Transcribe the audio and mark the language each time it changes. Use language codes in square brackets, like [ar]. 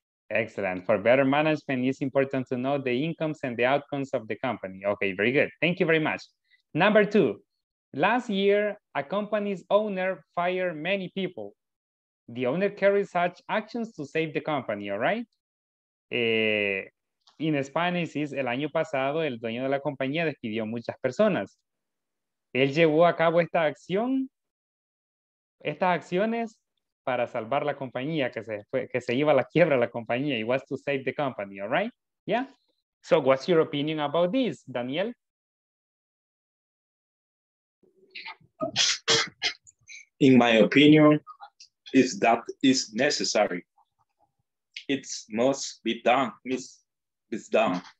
[en] Excellent, for better management, it's important to know the incomes and the outcomes of the company. Okay, very good, thank you very much. Number two, last year, a company's owner fired many people. The owner carries such actions to save the company, all right? In Spanish, is [es] el año pasado, el dueño de la compañía despidió muchas personas. Él llevó a cabo esta acción, estas acciones para salvar la compañía, que se iba a la quiebra la compañía. [en] It was to save the company, all right? Yeah? So what's your opinion about this, Daniel? In my opinion, is that is necessary. It must be done. It's done.